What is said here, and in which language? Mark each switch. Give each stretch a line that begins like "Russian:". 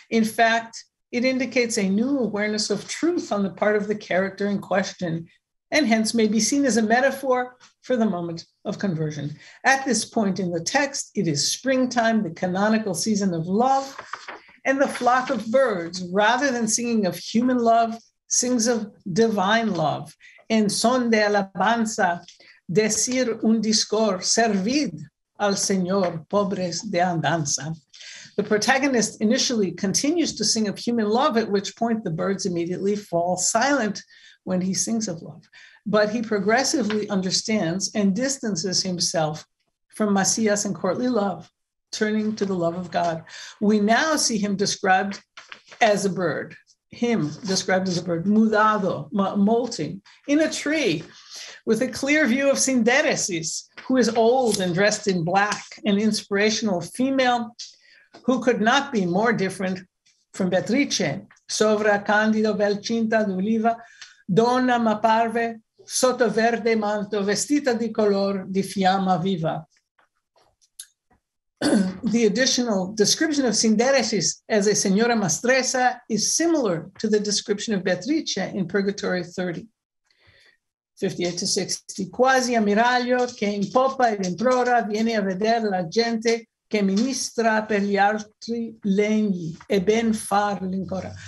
English: In fact, it indicates a new awareness of truth on the part of the character in question, and hence may be seen as a metaphor for the moment of conversion. At this point in the text, it is springtime, the canonical season of love, and the flock of birds, rather than singing of human love, sings of divine love.
Spanish: En son de alabanza, decir un discor, servid al Señor, pobres de andanza.
English: The protagonist initially continues to sing of human love, at which point the birds immediately fall silent when he sings of love. But he progressively understands and distances himself from Macias and courtly love, turning to the love of God. We now see him described as a bird, him described as a bird, mudado, molting, in a tree with a clear view of Sindereses, who is old and dressed in black, an inspirational female who could not be more different from Beatrice.
Italian: Sovra candido belcinta d'oliva, donna m'apparve, sotto verde manto, vestita di color di fiamma viva.
English: the additional description of Sinderesis as a Signora Mastresa is similar to the description of Beatrice in Purgatory 30.
Italian: 58 to 60, quasi ammiraglio che in poppa ed in prora viene a vedere la gente che ministra per gli altri legni e ben farli ancora.